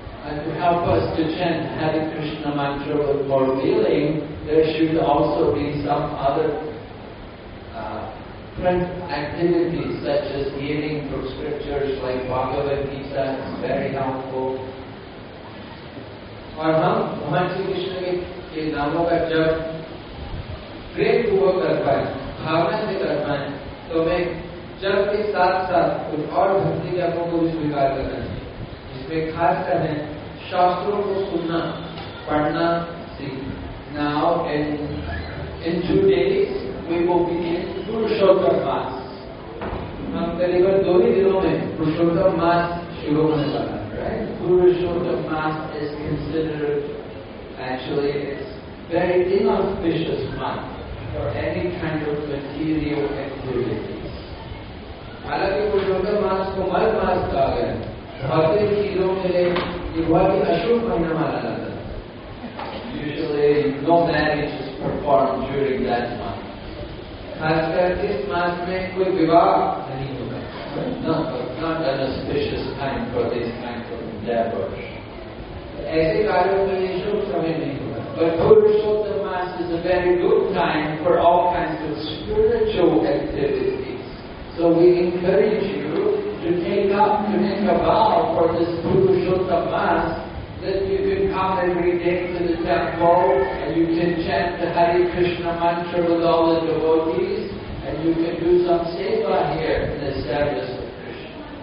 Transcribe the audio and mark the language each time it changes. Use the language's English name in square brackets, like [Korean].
[English] And to help us to chant Hare Krishna mantra with more feeling, there should also be some other different activities, such as hearing from scriptures like Bhagavad Gita. It's very helpful. [Hindi] और हम भगवान श्री कृष्ण के नामों का जब प्रेम पूर्वक कर पाए, भावना से कर पाए, तो हमें जब के साथ साथ कुछ और भक्ति कर्मों को भी स्वीकार करना चाहिए, जिसमें खास कर हैं शास्त्रों को सुनना, पढ़ना, सीखना. [English] Now in 2 days we will begin Purushottam Maas. [Hindi] हम करीबन 2 ही दिनों में पुरुषोत्तम मास शुरू होने वाला है. [English] Purushottam mass is considered, actually it's very inauspicious month for any kind of material activities. [Hindi] हालांकि पुरुषोत्तम मास को मल मास कहा गया है, भौतिक चीजों के लिए ये बहुत ही अशुभ महीना माना जाता है. [English] Usually no marriage is performed during that month. [Hindi] खासकर इस मास में कोई विवाह नहीं होता. [English] Not an auspicious time for this kind of endeavor. [Hindi] ऐसे कार्यों के लिए शुभ समय नहीं होगा. [English] But Purushottam Maas is a very good time for all kinds of spiritual activities. So we encourage you to take up, to make a vow for this Purushottam Mass, that you can come every day to the temple, and you can chant the Hare Krishna mantra with all the devotees, and you can do some seva here in the service of Krishna.